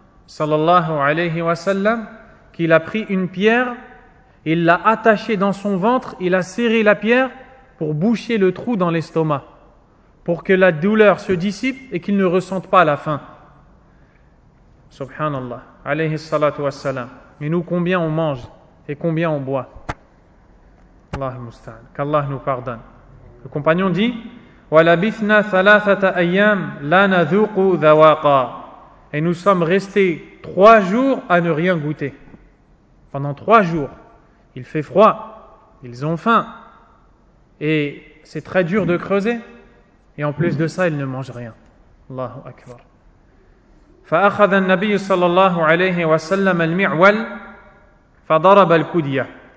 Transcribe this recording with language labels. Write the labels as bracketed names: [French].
[French] sallallahu alayhi wa sallam, qu'il a pris une pierre, il l'a attachée dans son ventre, il a serré la pierre pour boucher le trou dans l'estomac, pour que la douleur se dissipe et qu'il ne ressente pas la faim. Subhanallah, alayhi salatu wa salam. Et nous, combien on mange et combien on boit? Allah musta'an, qu'Allah nous pardonne. Le compagnon dit: [Arabic] وَلَبِثْنَا ثَلَاثَةَ أَيَّامٍ لَا نَذُوقُ ذَوَاقًا. [French] Et nous sommes restés 3 jours à ne rien goûter. Pendant 3 jours, il fait froid, ils ont faim, et c'est très dur de creuser, et en plus de ça, ils ne mangent rien. [Arabic] Allahu Akbar. فَأَخَذَ النَّبِيُّ صَلَى اللَّهُ عَلَيْهِ وَسَلَّمَ الْمِعْوَلِ فَضَرَبَ الْكُدْيَةِ.